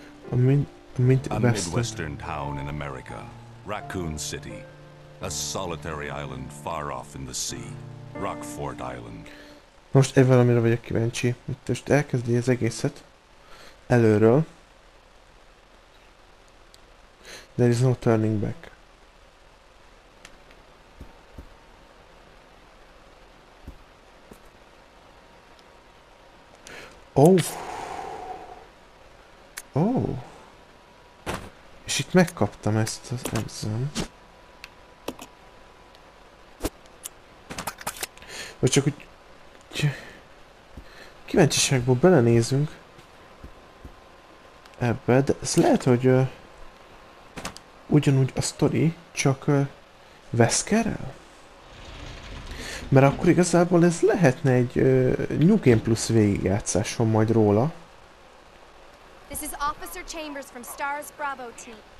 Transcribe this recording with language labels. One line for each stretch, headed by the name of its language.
English: A midwestern town in America, Raccoon City. A solitary island far off in the sea, Rockfort Island.
Hungarian: Most egy valamire vagyok kíváncsi. Most elkezdi az egészet előről.
English: There is no turning back. Oh! Oh!
Hungarian: És itt megkaptam ezt az emzőm. Vagy csak úgy... Kíváncsiságból belenézünk ebbe, de ez lehet, hogy ugyanúgy a sztori, csak Veskerrel? Mert akkor igazából ez lehetne egy New Game Plus végigjátszáson majd róla.
English: This is Officer Chambers from Stars Bravo Team.